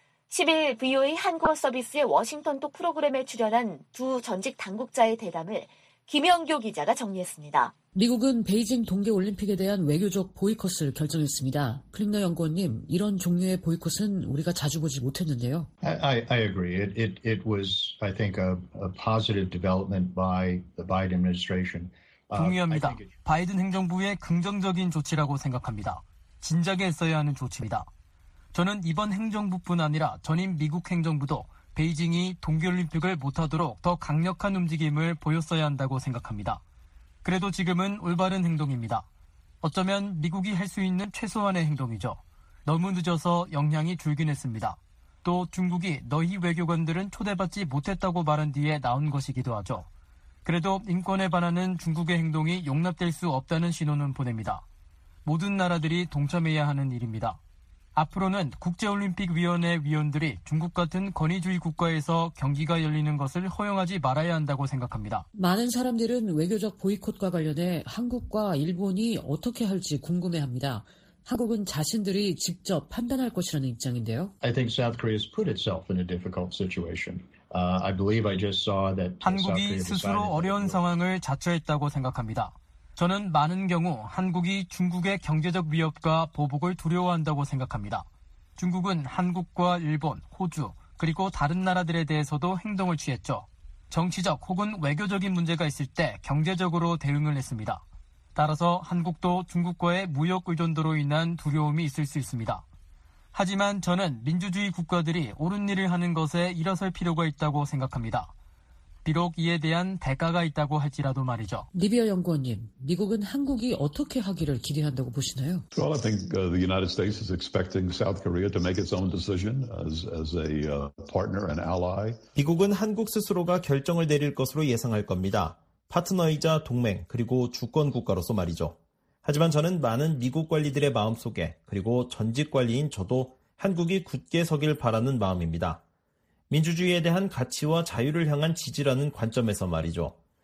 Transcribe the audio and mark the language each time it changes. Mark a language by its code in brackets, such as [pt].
[ko] 10일 VOA 한국어 서비스의 워싱턴톡 프로그램에 출연한 두 전직 당국자의 대담을 김영교 기자가 정리했습니다. 미국은 베이징 동계올림픽에 대한 외교적 보이콧을 결정했습니다. 클릭너 연구원님, 이런 종류의 보이콧은 우리가 자주 보지 못했는데요. [en] I agree. It was, I think, a positive development by the Biden administration. [ko] 동의합니다. 바이든 행정부의 긍정적인 조치라고 생각합니다. 진작에 했어야 하는 조치입니다. 저는 이번 행정부뿐 아니라 전임 미국 행정부도 베이징이 동계올림픽을 못하도록 더 강력한 움직임을 보였어야 한다고 생각합니다. 그래도 지금은 올바른 행동입니다. 어쩌면 미국이 할 수 있는 최소한의 행동이죠. 너무 늦어서 영향이 줄긴 했습니다. 또 중국이 너희 외교관들은 초대받지 못했다고 말한 뒤에 나온 것이기도 하죠. 그래도 인권에 반하는 중국의 행동이 용납될 수 없다는 신호는 보냅니다. 모든 나라들이 동참해야 하는 일입니다. 앞으로는 국제올림픽위원회 위원들이 중국 같은 권위주의 국가에서 경기가 열리는 것을 허용하지 말아야 한다고 생각합니다. 많은 사람들은 외교적 보이콧과 관련해 한국과 일본이 어떻게 할지 궁금해합니다. 한국은 자신들이 직접 판단할 것이라는 입장인데요. [en] I think South Korea's put itself in a difficult situation. I believe I just saw that [ko] 한국이 스스로 어려운 상황을 자처했다고 생각합니다. 저는 많은 경우 한국이 중국의 경제적 위협과 보복을 두려워한다고 생각합니다. 중국은 한국과 일본, 호주, 그리고 다른 나라들에 대해서도 행동을 취했죠. 정치적 혹은 외교적인 문제가 있을 때 경제적으로 대응을 했습니다. 따라서 한국도 중국과의 무역 의존도로 인한 두려움이 있을 수 있습니다. 하지만 저는 민주주의 국가들이 옳은 일을 하는 것에 일어설 필요가 있다고 생각합니다. 비록 이에 대한 대가가 있다고 할지라도 말이죠. 리비아 연구원님, 미국은 한국이 어떻게 하기를 기대한다고 보시나요? [en] Well, I think the United States is expecting South Korea to make its own decision as a partner and ally. [ko] 미국은 한국 스스로가 결정을 내릴 것으로 예상할 겁니다. 파트너이자 동맹 그리고 주권 국가로서 말이죠. 하지만 저는 많은 미국 관리들의 마음 속에 그리고 전직 관리인 저도 한국이 굳게 서길 바라는 마음입니다. 민주주의에 대한 가치와 자유를 향한 지지라는 관점에서 말이죠.